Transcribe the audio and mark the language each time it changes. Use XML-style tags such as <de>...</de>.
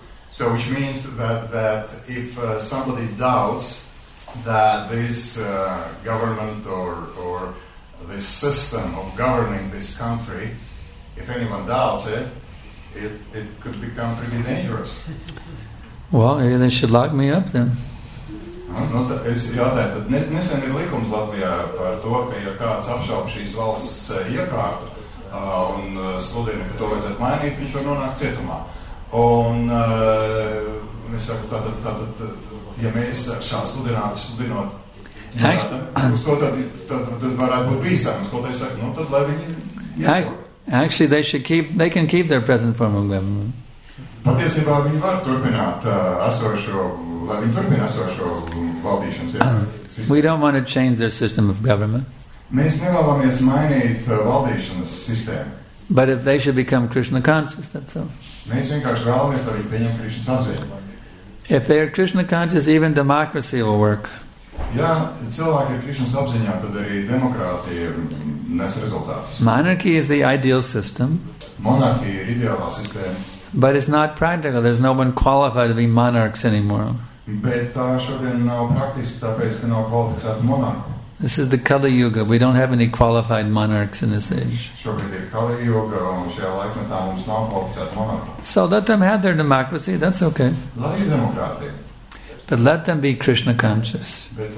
<en>So which means that if somebody doubts that this government or this system of governing this country, if anyone doubts it, it could become pretty dangerous. Well, maybe they should lock me up then.</en> <lv>Es jautāju, tad nesen ir likums Latvijā par to, ka ja kāds apšaub šīs valsts iekārtu un sludina, ka to vajadzētu mainīt, viņš var nonākt cietumā. Un es saku, tātad, ja mēs šā sludinot, uz ko tad varētu būt bīstams, ko tad es saku, tad lai viņi iespēl.</lv> <en>Actually, they can keep their present form of government.</en> <lv>Patiesībā viņi var turpināt esošo, lai viņi turpina esošo valdīšanas sistēmu.</lv> <en>We don't want to change their system of government.</en> <lv>Mēs nevēlamies mainīt valdīšanas sistēmu.</lv> <en>But if they should become Krishna conscious, that's all.</en> <lv>Mēs vienkārši vēlamies, lai viņi pieņem Krishna apziņu.</lv> <en>If they are Krishna conscious, even democracy will work.</en> <lv>Ja cilvēki ir Krishna apziņā, tad arī demokrātija nes rezultātus.</lv> <en>Monarchy is the ideal system.</en> <lv>Monarchija ir ideālā sistēma.</lv> <en>But it's not practical. There's no one qualified to be monarchs anymore.</en> <lv>Bet tā šodien nav praktiski, tāpēc, ka nav kvalificēti monarchi.</lv> <en>This is the Kali Yuga. We don't have any qualified monarchs in this age. So let them have their democracy. That's okay. But let them be Krishna conscious.</en>